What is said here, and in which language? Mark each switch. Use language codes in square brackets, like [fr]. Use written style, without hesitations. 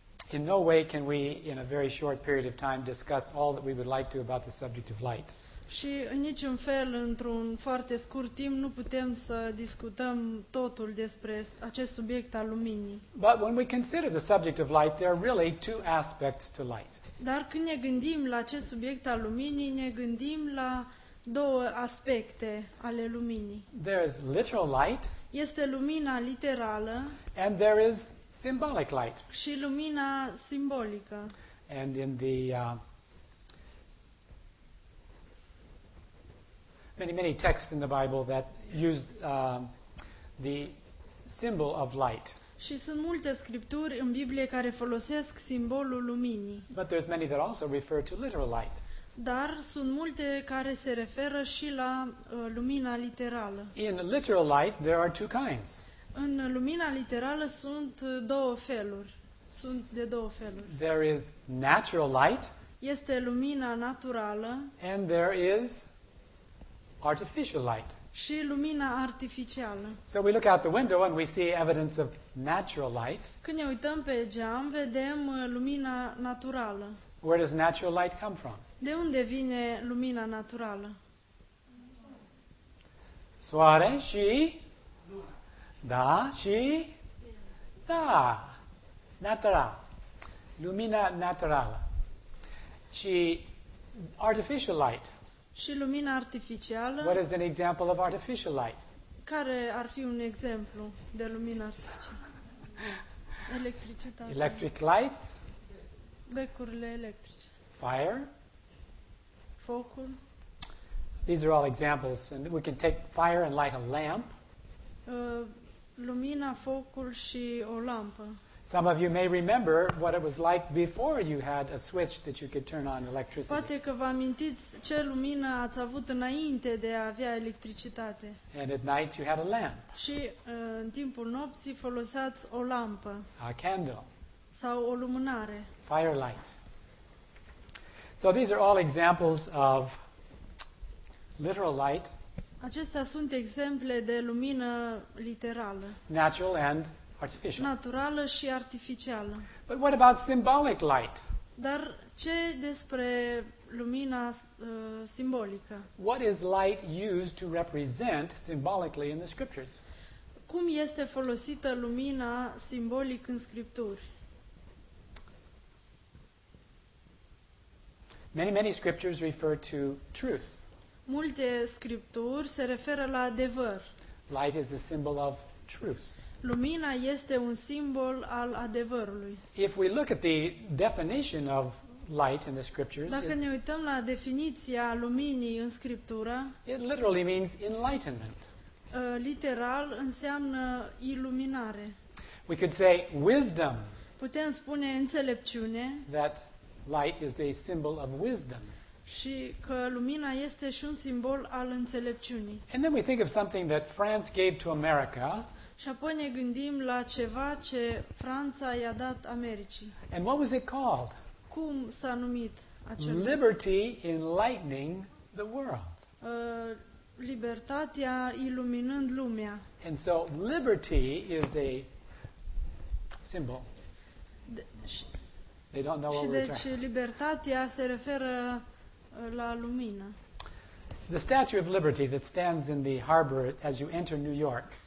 [en] In no way can we in a very short period of time discuss all that we would like to about the subject of light. [ro] Și în niciun fel, într-un foarte scurt timp, nu putem să discutăm totul despre acest subiect al luminii. [en] But when we consider the subject of light, there are really two aspects to light. [ro] Dar când ne gândim la acest subiect al luminii, ne gândim la două aspecte ale luminii. [en] There is literal light. [ro] Este lumina literală. [en] And there is symbolic light. [ro] Și lumina simbolică. [en] And in the many texts in the Bible that used the symbol of light. [ro] Și sunt multe scripturi în Biblie care folosesc simbolul luminii. [en] But there's many that also refer to literal light. [ro] Dar sunt multe care se referă și la lumina literală. [en] In literal light there are two kinds. [ro] În lumina literală sunt două feluri. Sunt de două feluri. [en] There is natural light. [ro] Este lumina naturală. [en] And there is artificial light. [ro] Și lumina artificială. [en] So we look out the window and we see evidence of natural light. [ro] Când ne uităm pe geam, vedem lumina naturală. [en] Where does natural light come from? [ro] De unde vine lumina naturală? Soare și? Da, și? Da. Natural. Lumina naturală. Și [en] artificial light. [ro] Și lumina artificială. [en] What is an example of artificial light? [ro] Care ar fi un exemplu de lumină artificială? Electricitate. [en] Electric lights. [ro] Becurile electrice. [en] Fire. [ro] Focul. [en] These are all examples. And we can take fire and light a lamp. [ro] Lumina, focul și o lampă. [en] Some of you may remember what it was like before you had a switch that you could turn on electricity. [ro] Poate că vă amintiți ce lumină ați avut înainte de a avea electricitate. [en] And at night you had a lamp. [ro] Și în timpul nopții foloseați o lampă. [en] A candle. [ro] Sau o lumânare. [en] Firelight. So these are all examples of literal light. [ro] Acestea sunt exemple de lumină literală. [en] Natural and artificial. [ro] Naturală și artificială. [en] But what about symbolic light? [ro] Dar ce despre lumina simbolică? [en] What is light used to represent symbolically in the scriptures? [ro] Cum este folosită lumina simbolic în scripturi? [en] Many scriptures refer to truth. [ro] Multe scripturi se referă la adevăr. [en] Light is a symbol of truth. [ro] Lumina este un simbol al adevărului. [en] If we look at the definition of light in the scriptures, [ro] dacă ne uităm la definiția luminii în scriptură, [en] it literally means enlightenment. [ro] Literal înseamnă iluminare. [en] We could say wisdom. [ro] Putem spune înțelepciune. [en] That light is a symbol of wisdom. [ro] Și că lumina este și un simbol al înțelepciunii. [en] And then we think of something that France gave to America. [ro] Și apoi ne gândim la ceva ce Franța i-a dat Americii. [en] And what was it called? [ro] Cum s-a numit acel lucru? [en] Liberty enlightening the world. [ro] Libertatea iluminând lumea. [en] And so liberty is a symbol. They don't know [ro] și [en] what [ro] deci libertatea se referă la lumină. [en] The Statue of Liberty that stands in the harbor as you enter New York.